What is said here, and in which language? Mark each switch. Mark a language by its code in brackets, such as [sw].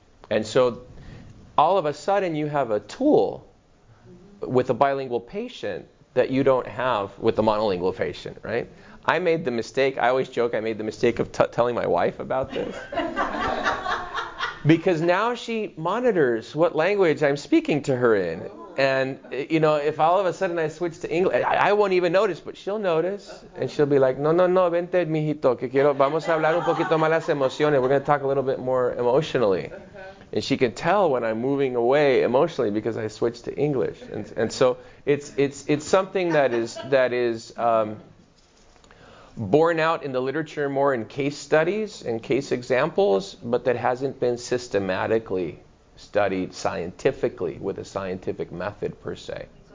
[en] And so all of a sudden you have a tool with a bilingual patient that you don't have with a monolingual patient, right? I made the mistake, I always joke, I made the mistake of telling my wife about this. Because now she monitors what language I'm speaking to her in. And, you know, if all of a sudden I switch to English, I won't even notice, but she'll notice. And she'll be like, [es] no, vente, mijito, que quiero, vamos a hablar un poquito más las emociones. [en] We're going to talk a little bit more emotionally. And she can tell when I'm moving away emotionally because I switched to English. And so it's something that is borne out in the literature more in case studies and case examples, but that hasn't been systematically studied scientifically with a scientific method per se.